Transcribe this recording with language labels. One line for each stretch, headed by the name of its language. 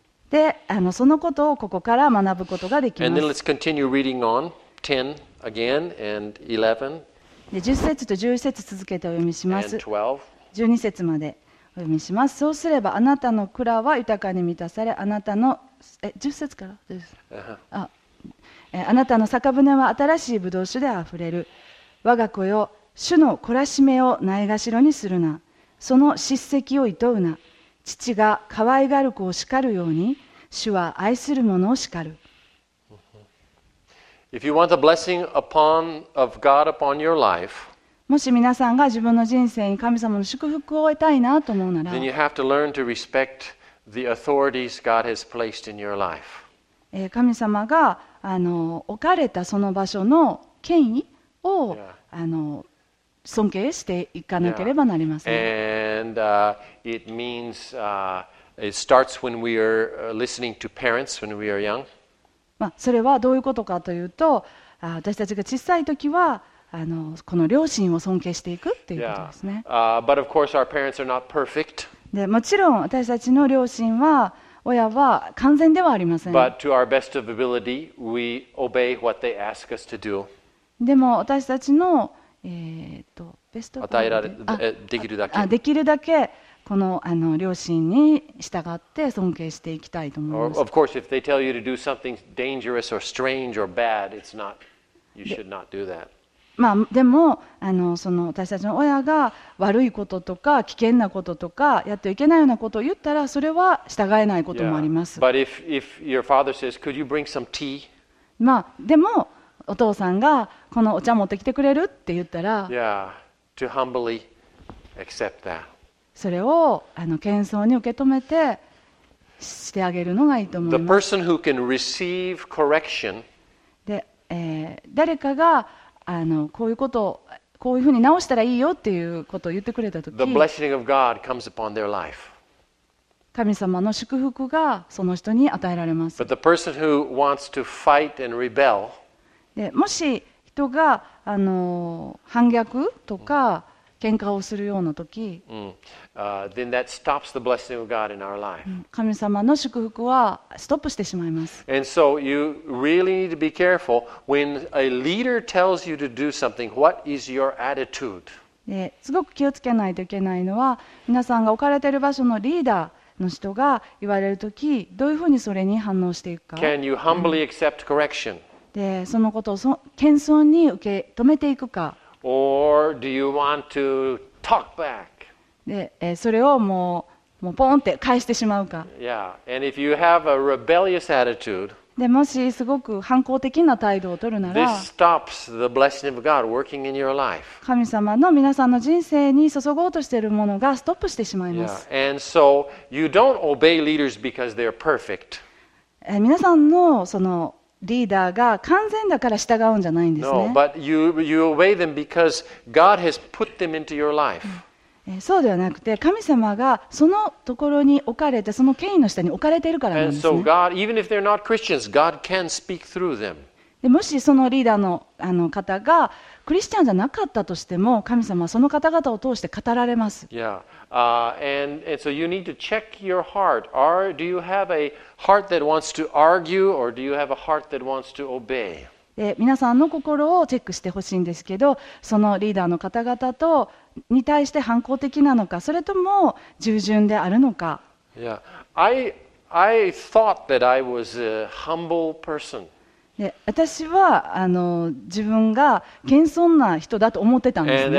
Japanese: で、そのことをここから学ぶことができます。
English: And then let's continue reading on 10 again and 11.
Japanese: で、10節と11節続けてお読みします。
English: And
Japanese: 12節までお読みします。そうすればあなたの蔵は豊かに満たされ、あなたの10節から、あなたの酒舟は新しい葡萄酒で溢れる。我が子よ、主の懲らしめをないがしろにするな。その叱責をいとうな。父が可愛がる子を叱るように、主は愛する者を叱る。
English: If you want the blessing of God upon your life,
Japanese: もし皆さんが自分の人生に神様の祝福を得たいなと思うなら、
English: then you have to learn to respect the authorities God has placed in your life.
Japanese: 神様が置かれたその場所の権威を、尊敬していかなければなりません。
English: And it means it starts when we are listening to parents when we are young.
Japanese: それはどういうことかというと、私たちが小さい時はこの両親を尊敬していくっていうことですね。
English: But of course our parents are not perfect.
Japanese: でもちろん私たちの両親は親は完全ではありません。
English: But to our best of ability, we obey what they ask us to do.
Japanese: でも私たちの、ベストで与えられできるだけ。できるだけこの両親に従って尊敬していきたいと思います。
English: Of course, if they tell you to do something dangerous or strange or bad, it's not. You should not do that.
Japanese: まあ、でもその私たちの親が悪いこととか危険なこととかやってはいけないようなことを言ったらそれは従えないこともあります。
English: But if your father says, could you bring some tea?
Japanese: まあ、でもお父さんがこのお茶持ってきてくれるって言ったら
English: Yeah, to humbly accept that.
Japanese: それを謙遜に受け止めてしてあげるのがいいと思います。
English: The person who can receive correction
Japanese: で、誰かがこういうことをこういうふうに直したらいいよっていうことを言ってくれたとき、
English: The blessing of God comes upon their life.
Japanese: 神様の祝福がその人に与えられます。
English: But the person who wants to fight and rebel,
Japanese: でもし人が反逆とか喧嘩をするようなとき、
English: then that stops the blessing of God in our life.
Japanese: 神様の祝福はストップしてしまいます。
English: And so you really need to be careful when a leader tells you to do something, what is your attitude?
Japanese: すごく気をつけないといけないのは、皆さんが置かれている場所のリーダーの人が言われるとき、どういうふうにそれに反応していくか。
English: Can you humbly accept correction?
Japanese: で、そのことを謙遜に受け止めていくか。
English: Or do you want to talk back?
Japanese: で、それをもうポンって返してしまうか。
English: Yeah. And if you have a rebellious attitude,
Japanese: でもしすごく反抗的な態度を取るなら、
English: this stops the blessing of God working in your life.
Japanese: 神様の皆さんの人生に注ごうとしているものがストップしてしまいます。
English: Yeah. And so you don't obey leaders because they're perfect.
Japanese: 皆さんのそのリーダーが完全だから従うんじゃないんですね。
English: No, but you obey them because God has put them into your life.
Japanese: そうではなくて、神様がそのところに置かれて、その権威の下に置かれているからなんですね。
English: And so God, even if they're not Christians, God can speak through them.
Japanese: でもしそのリーダーの方がクリスチャンじゃなかったとしても、神様はその方々を通して語られます。
English: Yeah. And so you need to check your heart. Do you have a heart that wants to argue, or do you have a heart that wants to obey?
Japanese: 皆さんの心をチェックしてほしいんですけど、そのリーダーの方々とに対して反抗的なのか、それとも従順であるのか。
English: Yeah. I thought that I was a humble person.
Japanese: で私は自分が謙遜な人だと思ってたんですね。